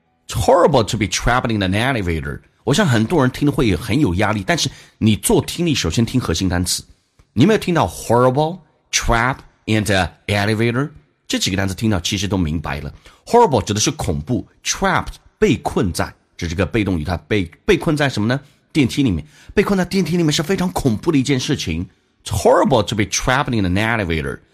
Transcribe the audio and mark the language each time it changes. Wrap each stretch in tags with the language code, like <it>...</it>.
<en>It's horrible to be trapped in an elevator.</en> <zh>我想很多人听的会很有压力，但是你做听力首先听核心单词。你没有听到</zh> <en>horrible, trap, and elevator?</en> <zh>这几个单词听到其实都明白了。 horrible 指的是恐怖， trapped, 被困在。这是个被动语态，被困在什么呢？电梯里面。被困在电梯里面是非常恐怖的一件事情。</zh> <en>It's horrible to be trapped in an elevator.</en>